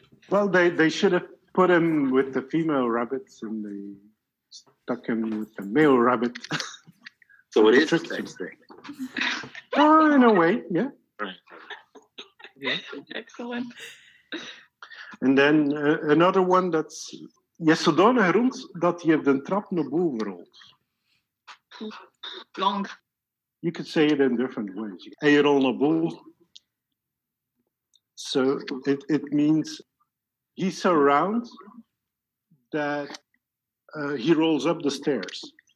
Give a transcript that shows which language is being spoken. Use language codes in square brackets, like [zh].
[en] Well, they should have put him with the female rabbits and they stuck him with the male rabbit. So it is a sex thing. In a way, yeah. Excellent. And then another one that's... [nl] Je zodanig rond dat je de trap naar boven rolt. [en] Long. You could say it in different ways. En je rolt naar boven. So it means he's around that he rolls up the stairs.